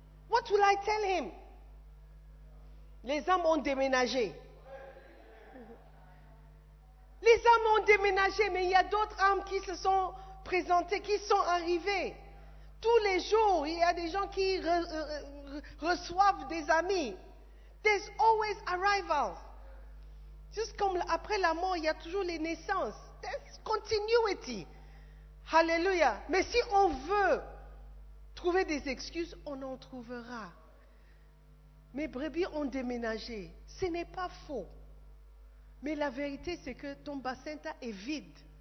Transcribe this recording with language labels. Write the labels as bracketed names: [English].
[English] What will I tell him? [French] Les âmes ont déménagé. Les âmes ont déménagé, mais il y a d'autres âmes qui se sont présentées, qui sont arrivées. Tous les jours, il y a des gens qui reçoivent des amis. [English] There's always arrivals. [French] Juste comme après la mort, il y a toujours les naissances. [English] There's continuity. [French] Hallelujah. Mais si on veut trouver des excuses, on en trouvera. Mes brebis ont déménagé. Ce n'est pas faux. Mais la vérité, c'est que ton bassin est vide.